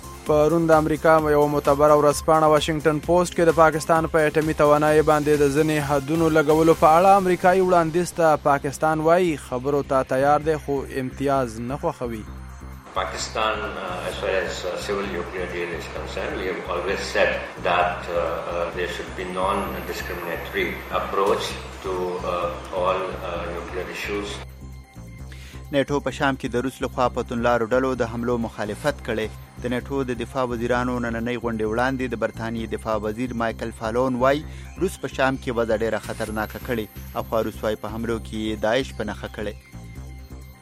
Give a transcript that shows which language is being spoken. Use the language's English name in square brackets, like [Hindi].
[Pashto] پرون د امریکا یو معتبر ورځپاڼه واشنگتن پوسټ کې د پاکستان په اټومي توانایي باندې د ځینې حدونو لګولو په اړه امریکایي وړاندیز ته پاکستان وایي خبرو ته تیار دی خو امتیاز نه خوښوي. [English] Pakistan, as far as civil nuclear deal is concerned, we have always said that there should be non-discriminatory approach to all nuclear issues. [Pashto] نیټو په شام کې د روس لخوا پتون لارو ډلو د حملو مخالفت کړي. د نیټو د دفاع وزیرانو نننۍ غونډې وړاندې د برتانیې دفاع وزیر مایکل فالون وای روس په شام کې وضع ډیره خطرناکه کړي او خو روس وای په حملو کې داعش په نخه کړي.